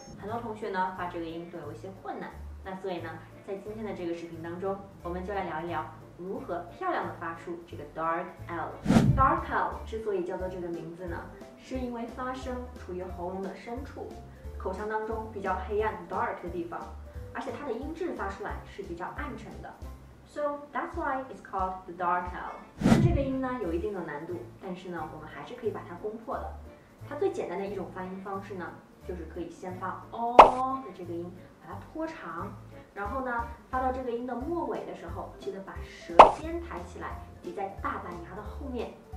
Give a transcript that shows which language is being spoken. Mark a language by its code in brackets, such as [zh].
[zh] 很多同学呢发这个音都有一些困难。那所以呢，在今天的这个视频当中，我们就来聊一聊如何漂亮的发出这个 dark L。 dark L 之所以叫做这个名字呢，是因为发声处于喉咙的深处，口腔当中比较黑暗 dark 的地方，而且它的音质发出来是比较暗沉的。 [en] So that's why it's called the dark L。 [zh] 这个音呢有一定的难度，但是呢我们还是可以把它攻破的。它最简单的一种发音方式呢，就是可以先发 O 的这个音，把它拖长，然后呢发到这个音的末尾的时候，记得把舌尖抬起来抵在大板牙的后面。